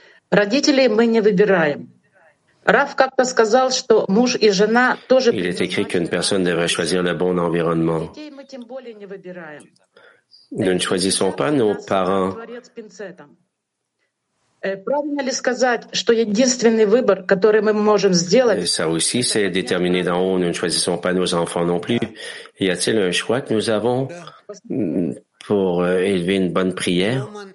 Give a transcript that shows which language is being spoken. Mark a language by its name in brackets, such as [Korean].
[Russian] Родителей мы не выбираем. Раф как-то сказал, что муж и жена тоже. [French] Il est écrit qu'une personne devrait choisir le bon environnement. Nous ne choisissons pas nos parents. [Russian] Правильно ли сказать, что единственный выбор, который мы можем сделать? [French] Ça aussi, c'est déterminé d'en haut. Nous ne choisissons pas nos enfants non plus. Y a-t-il un choix que nous avons pour élever une bonne prière?